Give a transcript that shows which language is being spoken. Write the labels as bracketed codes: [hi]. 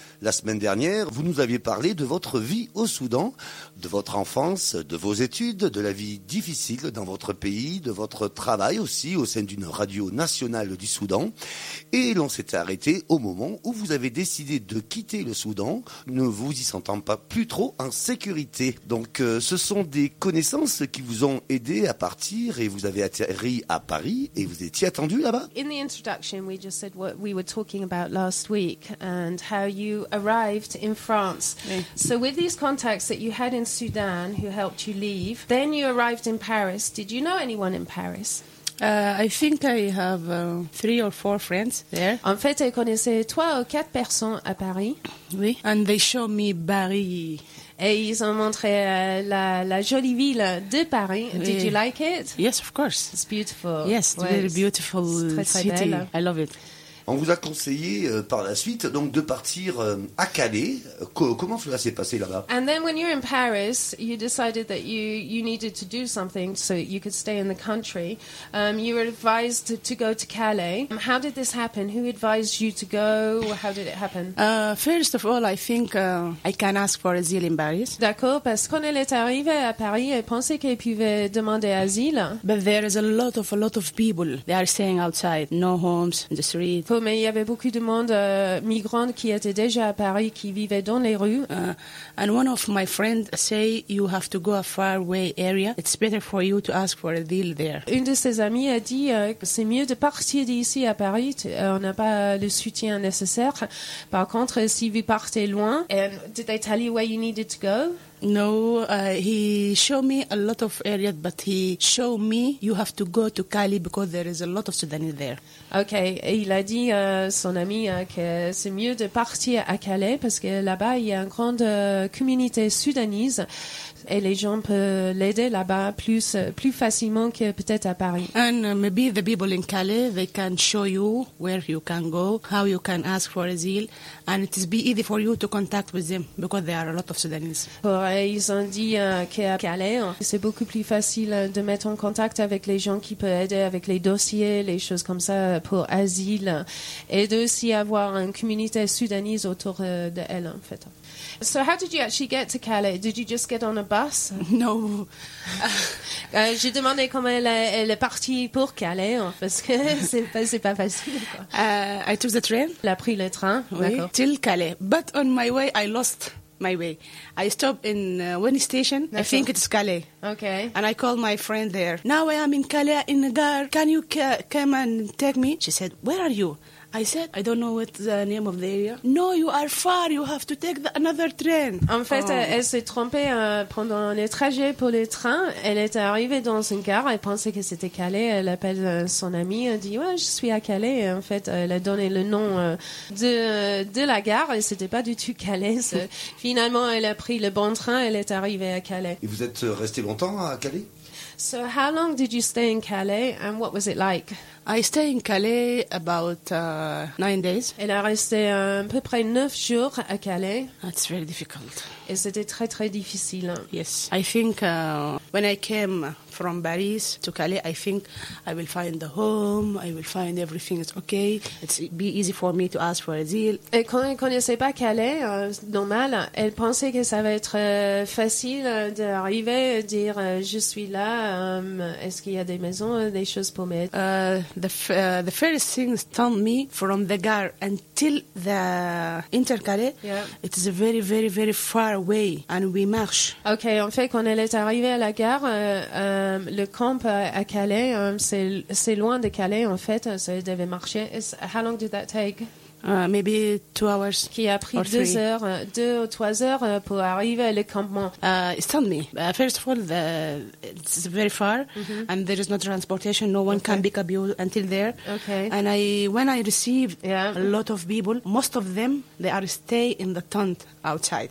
[fr] La semaine dernière, vous nous aviez parlé de votre vie au Soudan, de votre enfance, de vos études, de la vie difficile dans votre pays, de votre travail aussi au sein d'une radio nationale du Soudan. Et l'on s'était arrêté au moment où vous avez décidé de quitter le Soudan, ne vous y sentant pas plus trop en sécurité. Donc ce sont des connaissances qui vous ont aidé à partir et vous avez atterri à Paris et vous étiez attendu là-bas. [en] In the introduction, we just said what we were talking about last week and how you arrived in France. Oui. So with these contacts that you had in Sudan who helped you leave, then you arrived in Paris. Did you know anyone in Paris? I think I have three or four friends there. [fr] En fait, je connaissais trois ou quatre personnes à Paris. [en] Oui. And they showed me Paris. [fr] Et ils ont montré la jolie ville de Paris. [en] Oui. Did you like it? Yes, of course. It's beautiful. Yes, it's very beautiful. [fr] C'est très, très [en] city. [fr] Belle. [en] I love it. [fr] On vous a conseillé par la suite donc de partir à Calais. Comment cela s'est passé là-bas? [en] And then when you're in Paris, you decided that you needed to do something so you could stay in the country. You were advised to go to Calais. How did this happen? Who advised you to go? How did it happen? First of all, I think I can ask for asile in Paris. [fr] D'accord, parce qu'on est arrivé à Paris et pensait qu'il pouvait demander asile. [en] But there is a lot of people. They are staying outside, no homes in the street. [fr] Oh, mais il y avait beaucoup de monde migrants qui étaient déjà à Paris, qui vivaient dans les rues. [en] And one of my friends say you have to go a far away area. It's better for you to ask for a deal there. [fr] Une de ses amies a dit que c'est mieux de partir d'ici à Paris. On n'a pas le soutien nécessaire. Par contre, si vous partez loin, [en] and did they tell you where you needed to go? No, he showed me a lot of areas, but he showed me you have to go to Calais because there is a lot of Sudanese there. [fr] Okay, et il a dit à son ami que c'est mieux de partir à Calais parce que là-bas il y a une grande communauté soudanise et les gens peuvent l'aider là-bas plus facilement que peut-être à Paris. [en] And maybe the people in Calais, they can show you where you can go, how you can ask for asile, and it is be easy for you to contact with them because there are a lot of Sudanese. [fr] Et ils ont dit qu'à Calais, c'est beaucoup plus facile de mettre en contact avec les gens qui peuvent aider avec les dossiers, les choses comme ça pour asile, et d'aussi avoir une communauté soudanaise autour d'elle, en fait. [en] So how did you actually get to Calais? Did you just get on a bus? No. [fr] J'ai demandé comment elle est partie pour Calais, parce que c'est pas facile. [en] I took the train. [fr] Elle a pris le train, oui, d'accord. [en] Till Calais. But on my way, I lost my way. I stop in one station. That's I think it's Calais. Okay. And I call my friend there. Now I am in Calais in a car. Can you come and take me? She said, where are you? I said, I don't know what's the name of the area. No, you are far. You have to take another train. [fr] En fait, elle s'est trompée pendant le trajet pour le train. Elle est arrivée dans un car. Elle pensait que c'était Calais. Elle appelle son amie. Elle dit, ouais, je suis à Calais. Et en fait, elle a donné le nom de la gare. Et c'était pas du tout Calais. Finalement, elle a pris le bon train. Elle est arrivée à Calais. Et vous êtes resté longtemps à Calais? [en] So how long did you stay in Calais and what was it like? I stayed in Calais about 9 days. [fr] Elle a resté à peu près 9 jours à Calais. [en] That's very difficult. [fr] Et c'était très très difficile. [en] Yes. I think when I came from Paris to Calais, I think I will find a home, I will find everything is okay. It's be easy for me to ask for asile. [fr] Et quand elle connaissait pas Calais, normal, elle pensait que ça va être facile d'arriver et dire je suis là, est-ce qu'il y a des maisons, des choses pour m'aider. [en] The first thing told me from the car until the Intercalais, yeah, it is a very, very, very far way and we march. [fr] Okay, en fait, quand elle est arrivée à la gare, le camp à Calais, c'est loin de Calais, en fait, ça devait marcher. [en] How long did that take? Maybe 2 hours. [fr] Qui a pris deux ou trois heures pour arriver à le campement. [en] Tell me. First of all, it's very far, mm-hmm. and there is no transportation. No one can pick up you until there. Okay. And when I received a lot of people, most of them, they are stay in the tent outside.